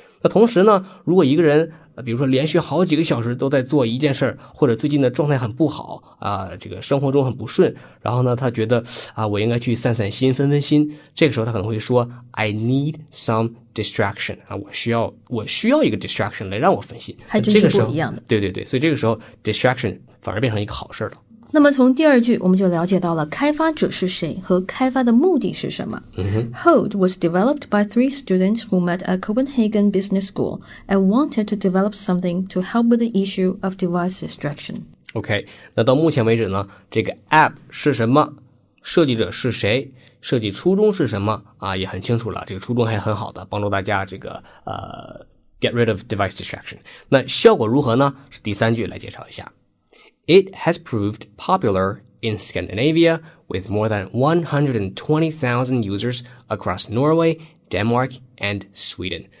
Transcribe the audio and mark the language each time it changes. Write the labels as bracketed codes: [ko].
[zh] 那同时呢，如果一个人比如说连续好几个小时都在做一件事，或者最近的状态很不好啊，这个生活中很不顺，然后呢他觉得啊，我应该去散散心分分心，这个时候他可能会说 [en] I need some distraction, [zh] 啊，我需要一个 distraction 来让我分心，还真是不一样的。对对对，所以这个时候 distraction 反而变成一个好事了。那么从第二句我们就了解到了开发者是谁和开发的目的是什么。 [en] Hold was developed by three students who met at Copenhagen Business School and wanted to develop something to help with the issue of device distraction. [zh] OK, 那到目前为止呢，这个 app 是什么，设计者是谁，设计初衷是什么啊，也很清楚了，这个初衷还很好的帮助大家这个 [en] get rid of device distraction。 [zh] 那效果如何呢，是第三句来介绍一下。 [en] It has proved popular in Scandinavia with more than 120,000 users across Norway, Denmark, and Sweden.